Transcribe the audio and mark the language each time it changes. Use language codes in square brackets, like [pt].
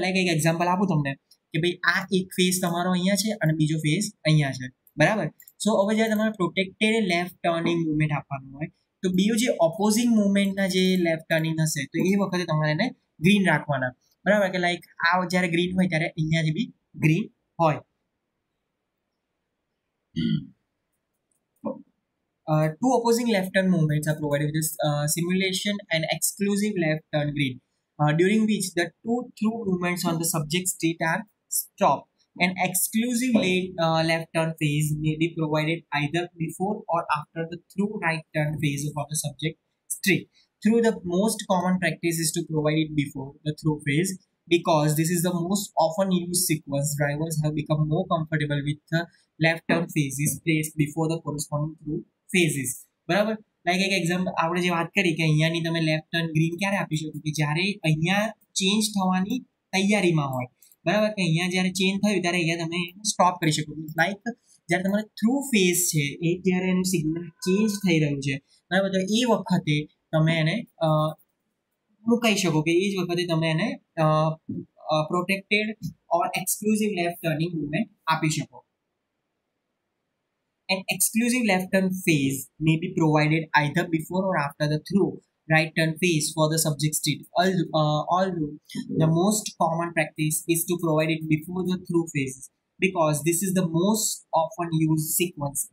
[gu] Like એક example આપું તમને કે ભાઈ આ એક ફેઝ તમારો અહીંયા છે અને બીજો ફેઝ અહીંયા છે. બરાબર. સો હવે જ્યારે તમારે પ્રોટેક્ટેડ લેફ્ટ ટર્નિંગ મુવમેન્ટ આપવાનું હોય તો બીજું જે ઓપોઝિંગ મુવમેન્ટના જે લેફ્ટ ટર્નિંગ હશે તો એ વખતે તમારે એને ગ્રીન રાખવાના. બરાબર. કે લાઈક આ જ્યારે ગ્રીન હોય ત્યારે અહીંયા જે બી ગ્રીન હોય. [en] Two opposing left turn movements are provided with this simulation and exclusive left turn green, during which the two through movements on the subject street are stopped. An exclusive left turn phase may be provided either before or after the through right turn phase of the subject street. Through the most common practice is to provide it before the through phase because this is the most often used sequence. Drivers have become more comfortable with the left turn phases placed before the corresponding through phases. [gu] બરાબર. Like એક example આપણે જે વાત કરી કે અહીંયાની તમે left turn green ક્યારે આપી શકો કે જ્યારે અહીંયા ચેન્જ થવાની તૈયારીમાં હોય. બરાબર. કે અહીંયા જ્યારે ચેન્જ થયું ત્યારે અહીંયા તમે સ્ટોપ કરી શકો. લાઈક જ્યારે તમારે થ્રુ ફેઝ છે એ જ્યારે એનું સિગ્નલ ચેન્જ થઈ રહ્યું છે. બરાબર. તો એ વખતે તમે એને મુકાઈ શકો કે એ જ વખતે તમે એને પ્રોટેક્ટેડ ઓર એક્સક્લુઝિવ લેફ્ટ ટર્નિંગ મુવમેન્ટ આપી શકો. [en] An exclusive left turn phase may be provided either before or after the through right turn phase for the subject street. Although the most common practice is to provide it before the through phase because this is the most often used sequence.